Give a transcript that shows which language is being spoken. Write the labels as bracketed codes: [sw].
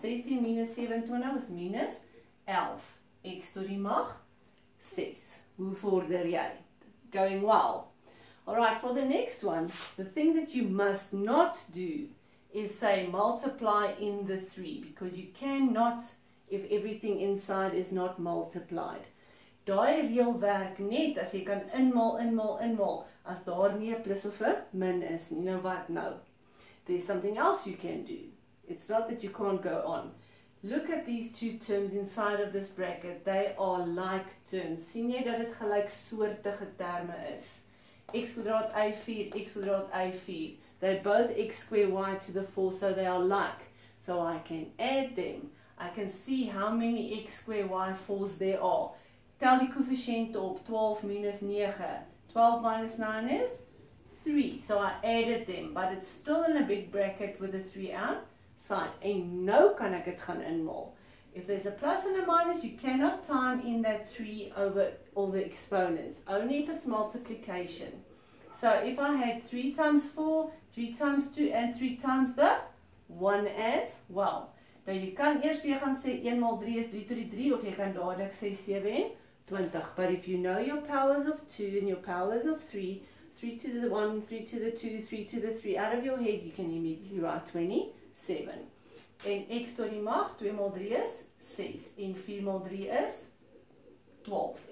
[af] 16 minus 27 is minus 11. X tot die mag 6. Hoe vorder jy? [en] Going well. Alright, for the next one, the thing that you must not do is say multiply in the 3 because you cannot if everything inside is not multiplied. [af] Daai reël werk net as jy kan inmaal, inmaal, inmaal, as daar nie 'n plus of 'n min is nie. Nou wat nou? [en] There's something else you can do. It's not that you can't go on. Look at these two terms inside of this bracket. They are like terms. [af] Sien jy dat dit gelyksoortige terme is? X kwadraat y 4, x kwadraat y 4. [en] They're both x squared y to the 4, so they are like. So I can add them. I can see how many x squared y 4s there are. [af] Tel die koëffisiënte op, 12 minus 9. 12 minus 9 is 3. [en] So I added them, but it's still in a big bracket with a 3 outside. [af] En nou kan ek het gaan inmaal. [en] If there's a plus and a minus, you cannot time in that 3 over all the exponents. Only if it's multiplication. So if I had 3 times 4, 3 times 2, and 3 times the 1 as well. [af] Nou, jy kan eers weer gaan sê 1 maal 3 is 3 tot die 3, of jy kan dadelijk sê 27. [en] But if you know your powers of 2 and your powers of 3, 3 to the 1, 3 to the 2, 3 to the 3, out of your head, you can immediately write 27. [af] En x tot die mag, 2 maal 3 is 6, en 4 maal 3 is 12.